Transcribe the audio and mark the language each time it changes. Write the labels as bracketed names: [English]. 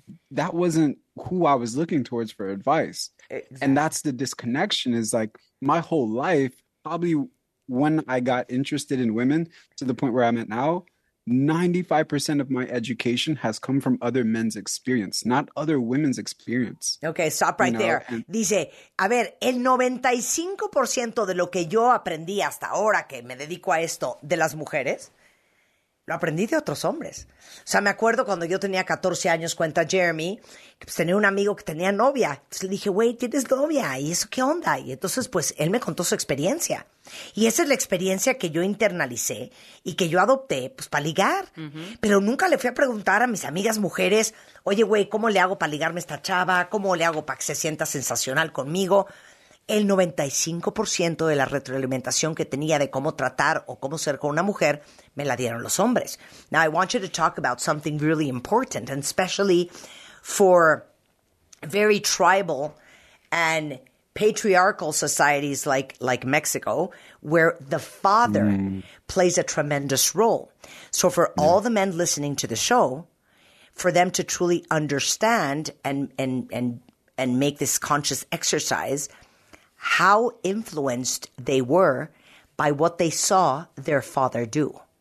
[English] That wasn't who I was looking towards for advice. Exactly. And that's the disconnection, is like my whole life, probably when I got interested in women to the point where I'm at now, 95% of my education has come from other men's experience, not other women's experience. Okay, stop right there. [Spanish] Dice, a ver, el 95% de lo que yo aprendí hasta ahora que me dedico a esto de las mujeres, lo aprendí de otros hombres. O sea, me acuerdo cuando yo tenía 14 años, cuenta Jeremy, que pues tenía un amigo que tenía novia. Entonces le dije, güey, ¿tienes novia? ¿Y eso qué onda? Y entonces, pues, él me contó su experiencia. Y esa es la experiencia que yo internalicé y que yo adopté, pues, para ligar. Uh-huh. Pero nunca le fui a preguntar a mis amigas mujeres, oye, güey, ¿cómo le hago para ligarme a esta chava? ¿Cómo le hago para que se sienta sensacional conmigo? El 95% de la retroalimentación que tenía de cómo tratar o cómo ser con una mujer me la dieron los hombres. [English] Now, I want you to talk about something really important, and especially for very tribal and patriarchal societies like Mexico, where the father plays a tremendous role. So for all the men listening to the show, for them to truly understand and make this conscious exercise, how influenced they were by what they saw their father do.